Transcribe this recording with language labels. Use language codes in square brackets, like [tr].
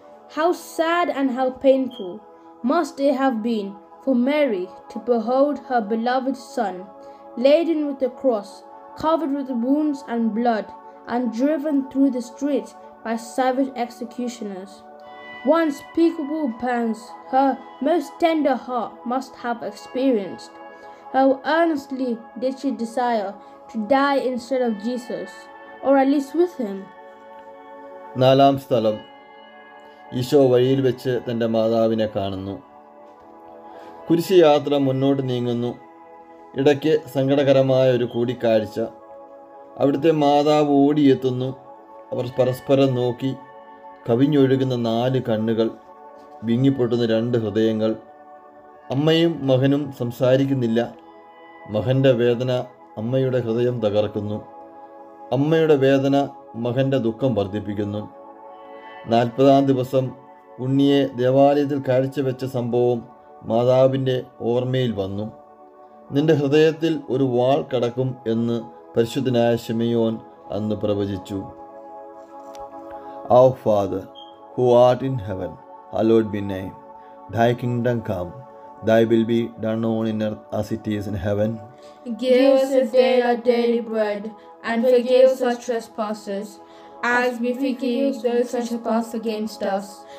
[en] How sad and how painful must it have been for Mary to behold her beloved son laden with the cross, covered with wounds and blood, and driven through the streets by savage executioners. What unspeakable pangs her most tender heart must have experienced. How earnestly did she desire to die instead of Jesus, or at least with him. [ml] നാലാം സ്ഥലം. ഈശോ വഴിയിൽ വെച്ച് തൻ്റെ മാതാവിനെ കാണുന്നു. കുരിശ് യാത്ര മുന്നോട്ട് നീങ്ങുന്നു. ഇടയ്ക്ക് സങ്കടകരമായ ഒരു കൂടിക്കാഴ്ച. അവിടുത്തെ മാതാവ് ഓടിയെത്തുന്നു. അവർ പരസ്പരം നോക്കി. കവിഞ്ഞൊഴുകുന്ന നാല് കണ്ണുകൾ, വിങ്ങിപ്പൊട്ടുന്ന രണ്ട് ഹൃദയങ്ങൾ. അമ്മയും മകനും സംസാരിക്കുന്നില്ല. മകൻ്റെ വേദന അമ്മയുടെ ഹൃദയം തകർക്കുന്നു. അമ്മയുടെ വേദന മകൻ്റെ ദുഃഖം വർദ്ധിപ്പിക്കുന്നു. 40-ാം ദിവസം ഉണ്ണിയെ ദേവാലയത്തിൽ കാഴ്ചവെച്ച സംഭവം മാതാവിൻ്റെ ഓർമ്മയിൽ വന്നു. നിന്റെ ഹൃദയത്തിൽ ഒരു വാൾ കടക്കും എന്ന് പരിശുദ്ധനായ ശിമയോൻ അന്ന് പ്രവചിച്ചു. [en] Our Father, who art in heaven, hallowed be thy name. Thy kingdom come, thy will be done on earth as it is in heaven. Give us today our daily bread, and forgive us our trespasses, as we forgive those who trespass against us.